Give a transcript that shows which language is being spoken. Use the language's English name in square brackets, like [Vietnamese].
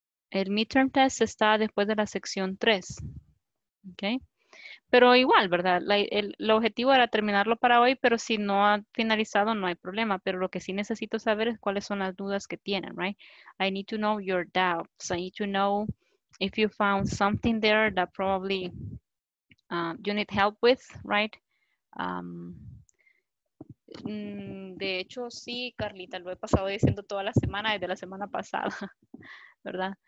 [Spanish] El midterm test está después de la sección 3. Okay. Pero igual, ¿verdad? El objetivo era terminarlo para hoy, pero si no ha finalizado, no hay problema. Pero lo que sí necesito saber es cuáles son las dudas que tienen, [English] right? I need to know your doubts. I need to know if you found something there that probably you need help with, right? [Spanish] De hecho, sí, Carlita, lo he pasado diciendo toda la semana, desde la semana pasada, ¿verdad?